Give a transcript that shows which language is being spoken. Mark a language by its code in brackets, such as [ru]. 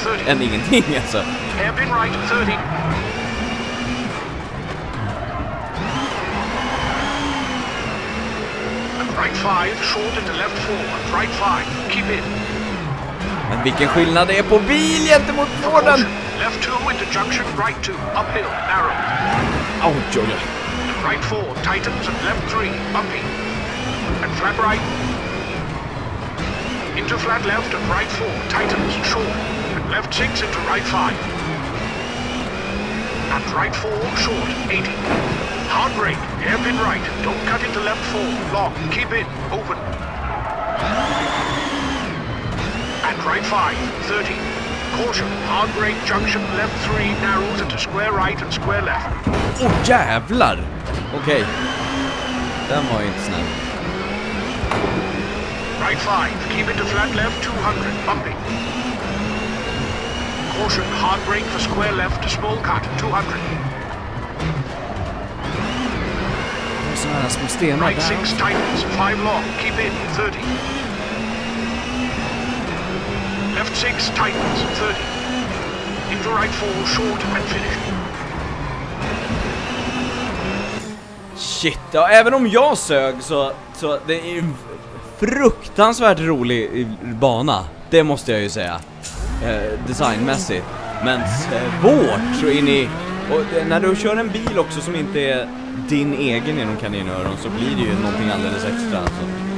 [sv] Än ingenting alltså. [en] Hairpin right, 30. Right 5, short into left 4. Right 5, keep in. [sv] Men vilken skillnad det är på bil gentemot Forden! [en] Left 2 into junction, right 2, uphill, narrow. Oh, joy. Right 4, tightens and left 3, bumpy. And flat right. Into flat left and right 4, tightens, short. And left 6 into right 5. And right 4, short, 80. Hard break, hairpin right, don't cut into left 4, long, keep in, open. Right 5, 30. Caution, hard break, junction, left 3, narrows into square right and square left. [sv] Oh, jävlar! Okej. Den var ju inte snabb. [en] Right 5, keep into flat left, 200, bumpy. Caution, hard break for square left, small cut, 200. [sv] Det är så här små stenar där. [en] Right 6, tightens, 5 long, keep in, 30. Left 6, tightens, 30. Into right 4, short, and finish. [sv] Shit, ja, även om jag sög så det är en fruktansvärt rolig bana. Det måste jag ju säga. Designmässigt. Men svårt så in i... Och när du kör en bil också som inte är din egen genom kaninöron så blir det ju någonting alldeles extra. Jaha.